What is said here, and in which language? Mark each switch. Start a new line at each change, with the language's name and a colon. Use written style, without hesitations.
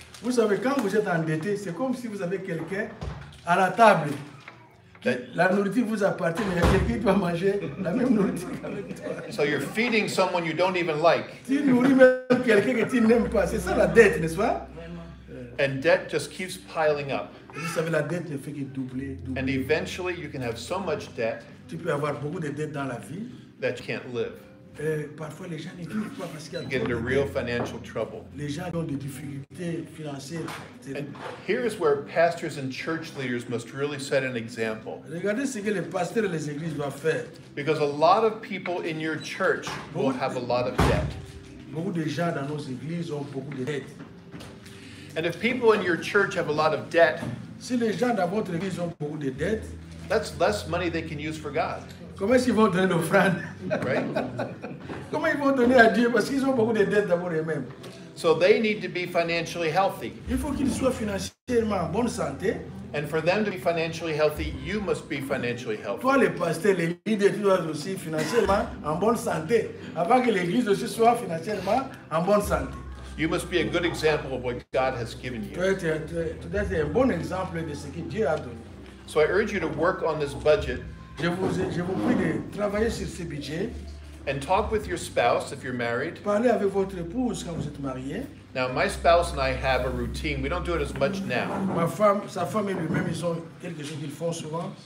French: Vous savez, quand vous êtes endetté, c'est comme si vous avez quelqu'un à la table. La nourriture vous appartient, mais il y a quelqu'un qui doit manger la même nourriture avec toi.
English: So you're feeding someone you don't even like.
French: Tu nourris même quelqu'un que tu n'aimes pas. C'est ça la dette, n'est-ce pas?
English: And debt just keeps piling up.
French: Vous savez, la dette ne fait que doubler.
English: And eventually you can have so much debt.
French: Tu peux avoir beaucoup de dettes dans la vie.
English: That you can't live.
French: Parfois les gens ne vivent pas parce qu'il y a
English: get into real financial trouble.
French: Les gens ont des difficultés financières.
English: And here is where pastors and church leaders must really set an example.
French: Regardez ce que les pasteurs et les églises doivent faire.
English: Because a lot of people in your church will have a lot of debt.
French: Beaucoup de gens dans nos églises ont beaucoup de dettes.
English: And if people in your church have a lot of debt,
French: si les gens dans votre église ont beaucoup de dettes,
English: that's less money they can use for God.
French: Comment ils vont donner l'offrande?
English: Right?
French: Comment ils vont donner à Dieu parce qu'ils ont beaucoup de dettes d'abord eux-mêmes.
English: So they need to be financially healthy.
French: Il faut qu'ils soient financièrement en bonne santé.
English: And for them to be financially healthy, you must be financially healthy.
French: Toi, les pasteurs, les leaders, tu dois aussi financièrement en bonne santé avant que l'église aussi soit financièrement en bonne santé.
English: You must be a good example of what God has given you.
French: Tu dois être un bon exemple de ce que Dieu a donné.
English: So I urge you to work on this budget.
French: Je vous prie de travailler sur ce budget.
English: And talk with your spouse if you're married.
French: Parlez avec votre épouse quand vous êtes marié.
English: Now my spouse and I have a routine. We don't do it as much now.
French: Ma femme, sa femme et lui-même, ils ont quelque chose qu'ils font souvent.